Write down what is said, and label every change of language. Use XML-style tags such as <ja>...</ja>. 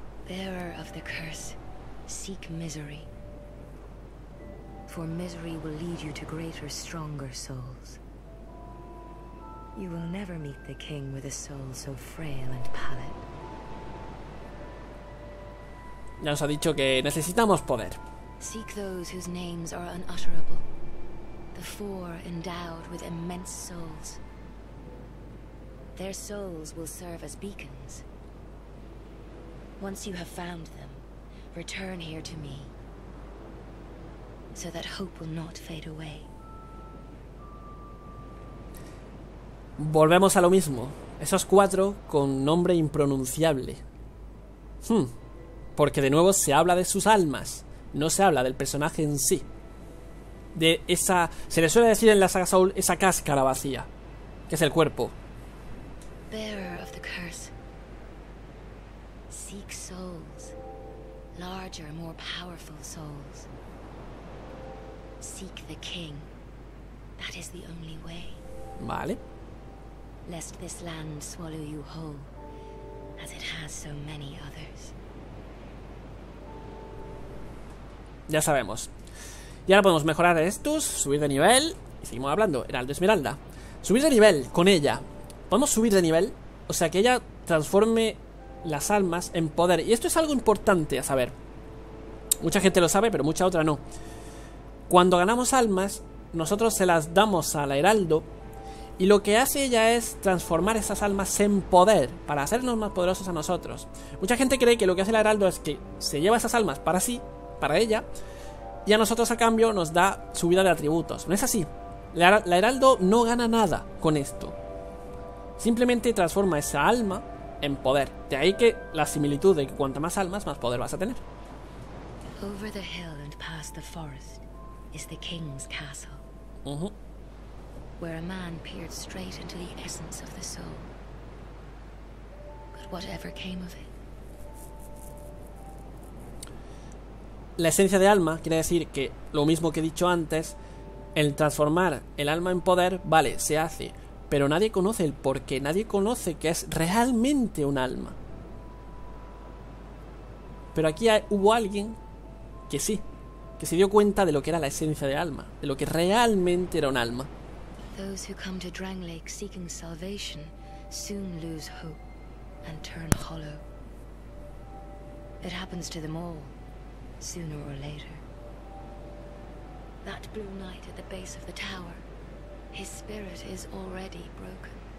<en>Bearer of the curse, seek misery. For misery will lead you to greater, stronger souls. You will never meet the king with a soul so frail and pallid.</en> <es>Ya nos ha dicho que necesitamos poder.</es> <en>Seek those whose names are unutterable. The four endowed with immense souls. Their souls will serve as beacons. Once you have found them, return here to me. So that hope will not fade away.</en> <es>Volvemos a lo mismo. Esos cuatro con nombre impronunciable. Porque de nuevo se habla de sus almas. No se habla del personaje en sí. De esa... Se le suele decir en la saga Soul esa cáscara vacía. Que es el cuerpo.</es> <en>Bearer of the curse. Seek souls. Larger, more powerful souls. Seek the king. That is the only way.</en> <es>Vale.</es> <en>Lest this land swallow you whole, as it has so many others.</en> <es>Ya sabemos. Y ahora podemos mejorar estos, subir de nivel. Y seguimos hablando, Heraldo Esmeralda. Subir de nivel con ella. Podemos subir de nivel, o sea que ella transforme las almas en poder. Y esto es algo importante a saber. Mucha gente lo sabe, pero mucha otra no. Cuando ganamos almas, nosotros se las damos a la Heraldo. Y lo que hace ella es transformar esas almas en poder, para hacernos más poderosos a nosotros. Mucha gente cree que lo que hace la Heraldo es que se lleva esas almas para sí, para ella, y a nosotros a cambio nos da subida de atributos. No es así. La Heraldo no gana nada con esto. Simplemente transforma esa alma en poder. De ahí que la similitud de que cuanto más almas, más poder vas a tener.</es> <en>Over the hill and past the forest is the king's castle. Where a man peered straight into the essence of the soul. But whatever came of it.</en> <es>La esencia de alma quiere decir que, lo mismo que he dicho antes, el transformar el alma en poder, vale, se hace, pero nadie conoce el porqué, nadie conoce que es realmente un alma. Pero aquí hubo alguien que sí, que se dio cuenta de lo que era la esencia de alma, de lo que realmente era un alma.</es> <en>Those who come to Dranglake seeking salvation soon lose hope and turn hollow. It happens to them all. Sooner or later. That blue knight at the base of the tower, his spirit is already broken.</en>